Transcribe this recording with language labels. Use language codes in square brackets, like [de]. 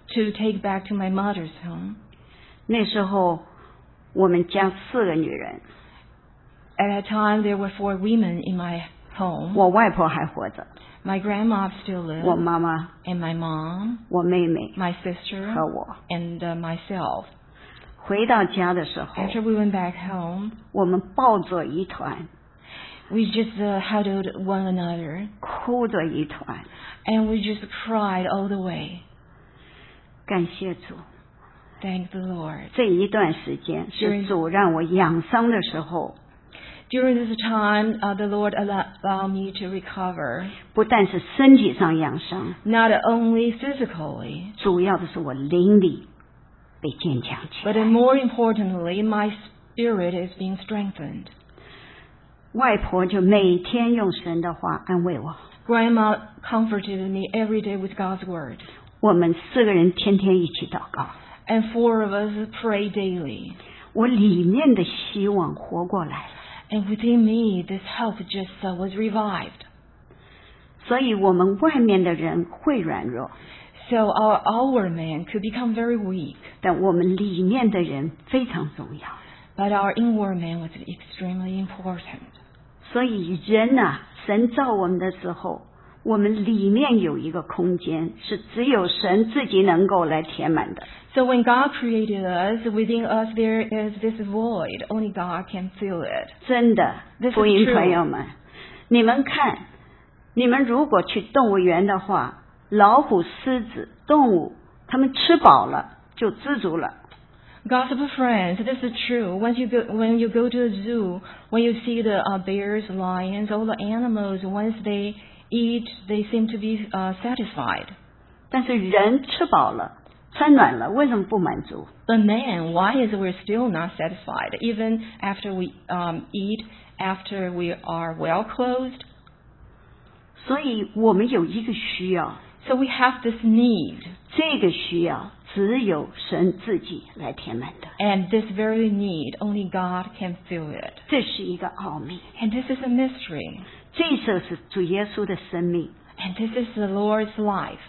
[en] To take back to my mother's home. [zh] 那时候我们家四个女人。 [en] At that time, there were four women in my home. [zh] 我外婆还活着。 [en] My grandma still lives. [zh] 我妈妈。 [en] And my mom. [zh] 我妹妹。 [en] My sister. [zh] 和我。 [en] And myself. [zh] 回到家的时候。 [en] After we went back home. [zh] 我们抱着一团。 [en] We just huddled one another. [zh] 哭着一团。 [en] And we just cried all the way. [zh] 感谢主。 [en] Thank the Lord. [zh] 这一段时间是主让我养伤的时候。 [en] During this time, the Lord allowed me to recover. [zh] 不但是身体上养伤。 [en] Not only physically. [zh] 主要的是我灵里被坚强起来。 [en] But more importantly, my spirit is being strengthened. [zh] 外婆就每天用神的话安慰我。 [en] Grandma comforted me every day with God's word. [zh] 我们四个人天天一起祷告。 [en] And four of us pray daily. [zh] 我里面的希望活过来了。 [en] And within me, this hope just was revived. [zh] 所以我们外面的人会软弱。 [en] So our man could become very weak. [zh] 但我们里面的人非常重要。 [en] But our inward man was extremely important. [zh] 所以人啊，神造我们的时候我们里面有一个空间是只有神自己能够来填满的。 [en] So when God created us, within us there is this void. Only God can fill it. [zh] 真的，福音朋友们，你们看，你们如果去动物园的话，老虎、狮子、动物，他们吃饱了就知足了。 [en] Gospel friends, this is true. When you go to a zoo, when you see the bears, lions, all the animals, once they eat, they seem to be satisfied. [zh] 但是人吃饱了，穿暖了，为什么不满足？ [en] But man, why is we still not satisfied? Even after we eat, after we are well clothed? [zh] 所以我们有一个需要。 [en] So we have this need. [zh] 这个需要只有神自己来填满的。 [en] And this very need, only God can fill it. [zh] 这是一个奥秘。 [en] And this is a mystery. [zh] 这就是主耶稣的生命。 [en] And this is the Lord's life.